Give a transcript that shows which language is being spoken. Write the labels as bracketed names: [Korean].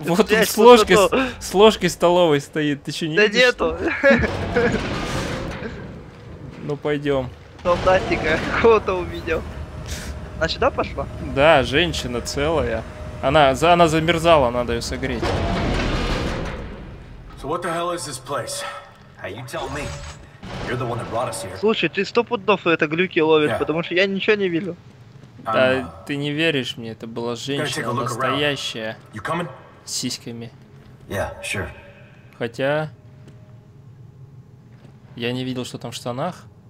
[Russian] Вот он с ложкой столовой стоит. Ты что, не видишь? Да нету. Ну, пойдем. Солдатика кого-то увидел. Она сюда пошла? Да, женщина целая. Она замерзала, надо ее согреть. [English] So what the hell is this place? Hey, you tell me. You're the one that brought us here. [Russian] Слушай, ты 100 пудов это глюки ловит, yeah. Потому что я ничего не видел. Да, ты не веришь мне, это была женщина настоящая. [English] You coming? [Russian] С сиськами. [English] Yeah, sure. [Russian] Хотя... Я не видел, что там в штанах.